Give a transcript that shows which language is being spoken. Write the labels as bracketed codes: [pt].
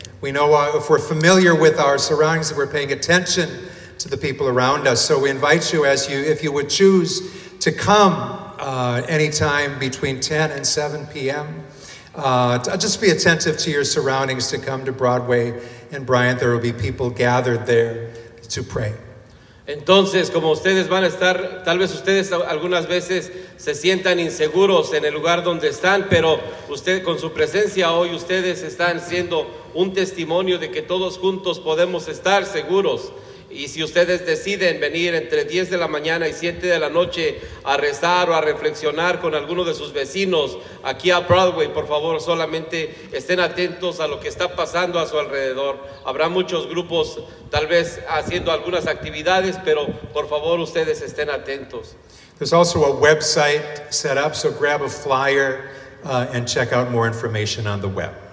[en] We know if we're familiar with our surroundings, if we're paying attention to the people around us. So we invite you, if you would choose to come anytime between 10 and 7 p.m., just be attentive to your surroundings to come to Broadway and Bryant. There will be people gathered there to pray. [es] Entonces, como ustedes van a estar, tal vez ustedes algunas veces se sientan inseguros en el lugar donde están, pero usted con su presencia hoy, ustedes están siendo un testimonio de que todos juntos podemos estar seguros. Y si ustedes deciden venir entre 10 de la mañana y 7 de la noche a rezar o a reflexionar con alguno de sus vecinos aquí a Broadway, por favor, solamente estén atentos a lo que está pasando a su alrededor. Habrá muchos grupos tal vez haciendo algunas actividades, pero por favor, ustedes estén atentos. [en] There's also a website set up, so grab a flyer and check out more information on the web.